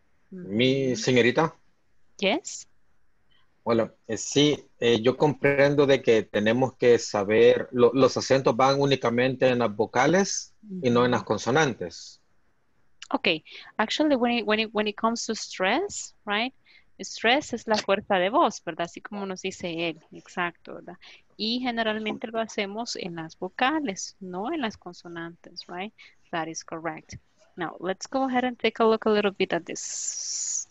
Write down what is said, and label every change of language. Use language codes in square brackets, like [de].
[es] Mi señorita. [en] Yes. [es] Bueno, sí, yo comprendo de que tenemos que saber, los acentos van únicamente en las vocales y no en las consonantes. [en] Okay, actually when it comes to stress, right? [es] Stress es la fuerza de voz, ¿verdad? Así como nos dice él, exacto, ¿verdad? Y generalmente lo hacemos en las vocales, no en las consonantes, right? [en] That is correct. Now, let's go ahead and take a look a little bit at this.